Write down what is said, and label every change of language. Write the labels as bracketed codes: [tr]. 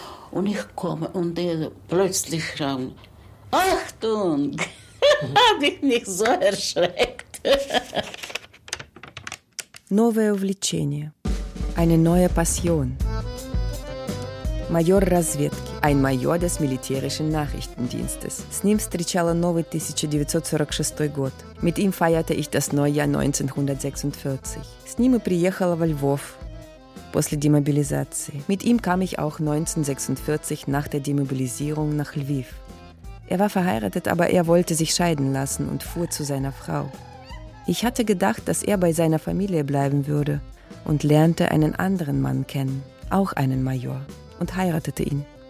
[de] Und ich komme und plötzlich schreien, Achtung! Habe ich mich so erschreckt. [ru] Новое увлечение. [de] Eine neue Passion. [ru] Майор разведки, [de] ein Major des militärischen Nachrichtendienstes. [ru] С ним встречала новый 1946 год. [de] Mit ihm feierte ich das Neujahr 1946. [ru] С ним и приехала во Львов после демобилизации. [de] Mit ihm kam ich auch 1946 nach der Demobilisierung nach Lviv. Er war verheiratet, aber er wollte sich scheiden lassen und fuhr zu seiner Frau. Ich hatte gedacht, dass er bei seiner Familie bleiben würde und lernte einen anderen Mann kennen, auch einen Major. Und heiratete ihn.